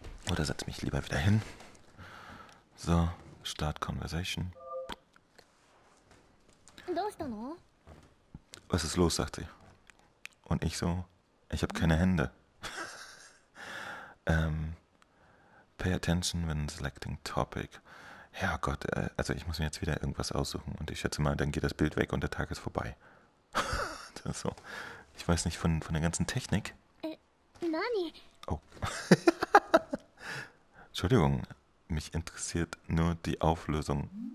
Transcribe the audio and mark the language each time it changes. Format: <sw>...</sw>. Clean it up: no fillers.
<de>Oder setze mich lieber wieder hin. So,</de> <en>Start Conversation.</en> <de>Was ist los, sagt sie. Und ich so, ich habe keine Hände.</de> <en>pay attention when selecting topic.</en> <de>Herrgott, also ich muss mir jetzt wieder irgendwas aussuchen. Und ich schätze mal, dann geht das Bild weg und der Tag ist vorbei. Das ist so. Ich weiß nicht, von der ganzen Technik. Oh. Entschuldigung, mich interessiert nur die Auflösung.</de>